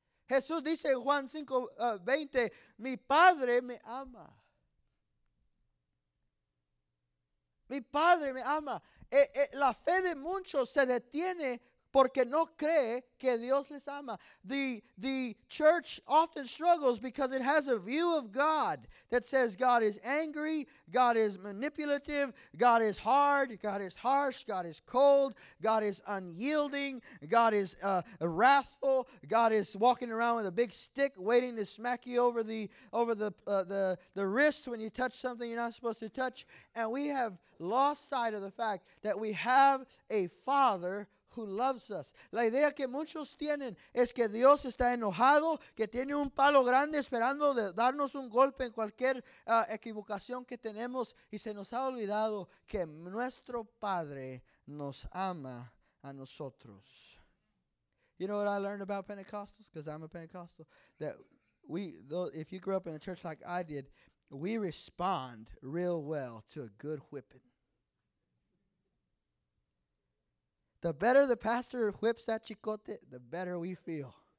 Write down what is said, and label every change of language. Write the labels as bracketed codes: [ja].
[es] Jesús dice en Juan 5:20, mi padre me ama. Mi padre me ama. La fe de muchos se detiene porque no cree que Dios les ama. [en] The church often struggles because it has a view of God that says God is angry, God is manipulative, God is hard, God is harsh, God is cold, God is unyielding, God is wrathful, God is walking around with a big stick waiting to smack you over the wrist when you touch something you're not supposed to touch. And we have lost sight of the fact that we have a Father who loves us. [es] La idea que muchos tienen es que Dios está enojado, que tiene un palo grande esperando de darnos un golpe en cualquier equivocación que tenemos, y se nos ha olvidado que nuestro Padre nos ama a nosotros. [en] You know what I learned about Pentecostals? Because I'm a Pentecostal. That if you grew up in a church like I did, we respond real well to a good whipping. The better the pastor whips that chicote, the better we feel.